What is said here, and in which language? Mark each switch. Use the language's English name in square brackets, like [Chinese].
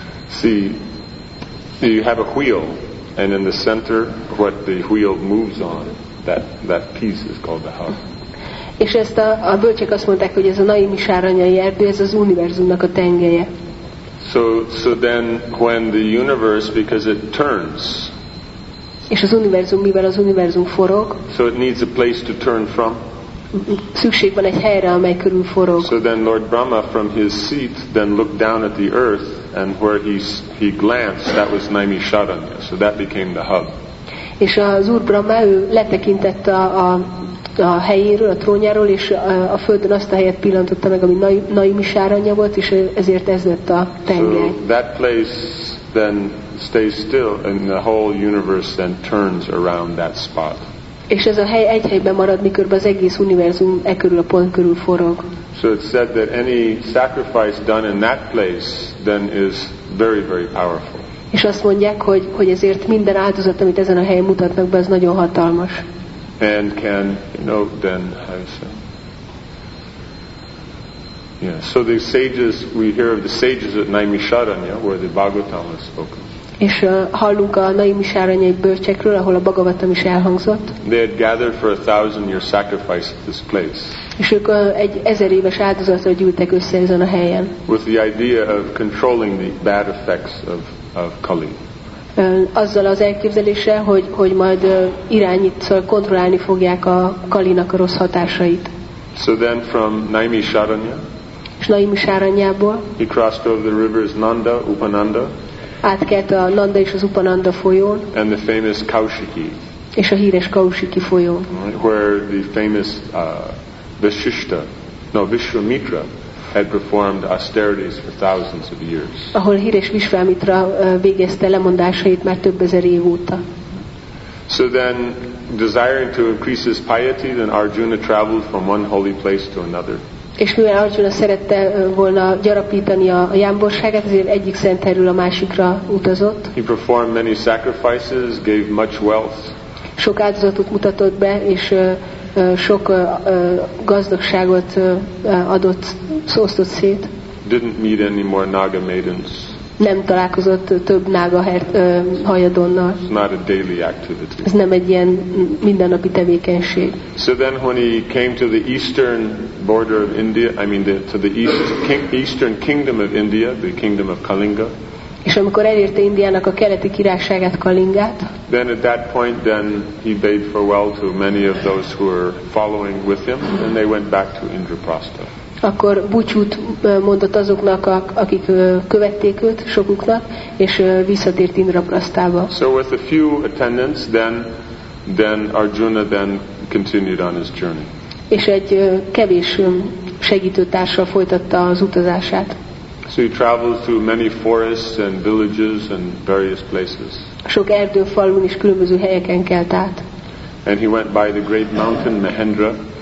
[English] See, you have a wheel, and in the center, what the wheel moves on, that piece is called the hub. [Hungarian] És ezt a bölcsek azt mondták, hogy ez a Naimisharanyai erdő, ez az univerzumnak a tengelye. [English] So then, when the universe, because it turns, [Hungarian] és az univerzum, mivel az univerzum forog, [English] so it needs a place to turn from. [Hungarian] Szükség van egy helyre, amely körül forog. [English] So then Lord Brahma from his seat then looked down at the earth, and where he glanced, that was Naimisharanya. So that became the hub. [Hungarian] És az Úr Brahma, ő letekintett a helyéről, a trónjáról, és a földön azt a helyet pillantotta meg, ami Naimisharanya volt, és ezért ez lett a tengely. [English] So that place then stays still, and the whole universe then turns around that spot. [Hungarian] És ez a hely egy helyben marad, miközben az egész univerzum e körül a pont körül forog. [English] So it's said that any sacrifice done in that place then is very, very powerful. [Hungarian] És azt mondják, hogy ezért minden áldozat, amit ezen a helyen mutatnak be, az nagyon hatalmas. [English] And can, you know, then I say. Yeah, so the sages, we hear of the sages at Naimisharanya, where the Bhagavatam was spoken. [Hungarian] És hallunk a Naimi sárányai bölcsekről, ahol a Bhagavata is elhangzott. [English] They had gathered for a thousand year sacrifice at this place. [Hungarian] És ők egy ezer éves áldozatra gyűltek össze ezen a helyen. [English] With the idea of controlling the bad effects of Kali. [Hungarian] Azzal az elképzeléssel, hogy majd kontrollálni fogják a Kalinak a rossz hatásait. [English] So then from Naimi Sharanya. [Hungarian] És Naimi sárányából. [English] He crossed over the rivers Nanda, Upananda. [Hungarian] Átkelt a Nanda és az Upananda folyón. [English] And the famous Kaushiki. [Hungarian] És a híres Kaushiki folyón. [English] Where the famous Vishvamitra had performed austerities for thousands of years. [Hungarian] Ahol híres Vishvamitra végezte lemondásait már több ezer év óta. [English] So then, desiring to increase his piety, then Arjuna traveled from one holy place to another. [Hungarian] És mivel Arjuna szerette volna gyarapítani a jámborságát, ezért egyik szent helyről a másikra utazott. [English] He performed many sacrifices, gave much wealth. [Hungarian] Sok áldozatot mutatott be, és sok gazdagságot adott, osztott szét. [English] Didn't meet any more Naga maidens. [Hungarian] Nem találkozott több nága hajadonnal. [English] It's not a daily activity. [Hungarian] Ez nem egy ilyen mindennapi tevékenység. [English] So then when he came to the eastern border of India, I mean eastern kingdom of India, the kingdom of Kalinga. [Hungarian] És amikor elérte Indiának a keleti királyságát, Kalingát. [English] Then at that point then he bade farewell to many of those who were following with him and they went back to Indraprastha. [Hungarian] Akkor búcsút mondott azoknak, akik követték őt, sokuknak, és visszatért Indraprasztába. [English] So with a few attendants, then Arjuna then continued on his journey. [Hungarian] És egy kevés segítőtársa folytatta az utazását. [English] So he traveled through many forests and villages and various places. [Hungarian] Sok erdőfalun is különböző helyeken kelt át. [English] And he went by the great mountain Mahendra.